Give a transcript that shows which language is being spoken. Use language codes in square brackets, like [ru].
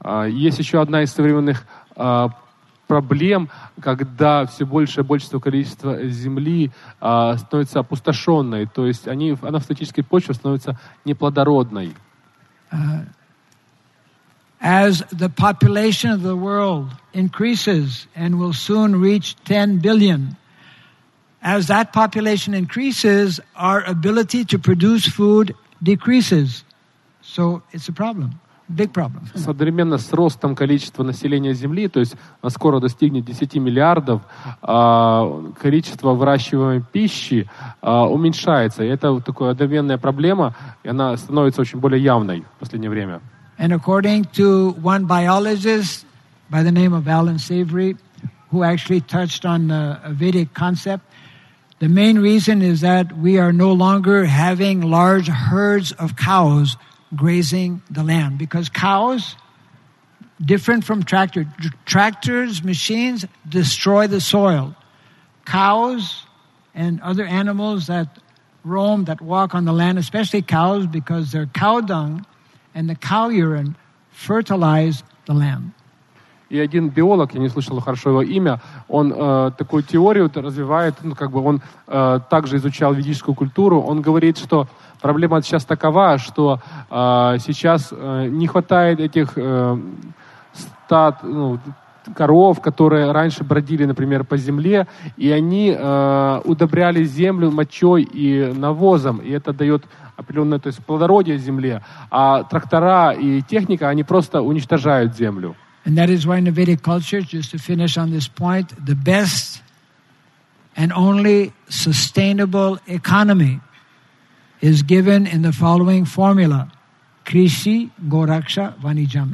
[ru] Есть еще одна из современных проблем, когда все большее большинство количества земли становится опустошенной, то есть она в статической почве становится неплодородной. [en] As the population of the world increases and will soon reach 10 billion, as that population increases, our ability to produce food decreases. So it's a problem, big problem. [ru] Одновременно с ростом количества населения Земли, то есть скоро достигнет 10 миллиардов, количество выращиваемой пищи уменьшается. Это такая одновременная проблема, и она становится очень более явной в последнее время. [en] And according to one biologist by the name of Alan Savory, who actually touched on a Vedic concept, the main reason is that we are no longer having large herds of cows grazing the land. Because cows, different from tractors, tractors, machines destroy the soil. Cows and other animals that roam, that walk on the land, especially cows because they're cow dung, and the cow urine fertilize the land. [ru] И один биолог, я не слышал хорошо его имя, он такую теорию развивает, ну, как бы он также изучал ведическую культуру. Он говорит, что проблема сейчас такова, что сейчас не хватает этих стад, ну, коров, которые раньше бродили, например, по земле, и они удобряли землю мочой и навозом, и это дает определенное, то есть плодородие земле, а трактора и техника, они просто уничтожают землю. [en] And that is why in the Vedic culture, just to finish on this point, the best and only sustainable economy is given in the following formula: Krishi Goraksha Vanijam.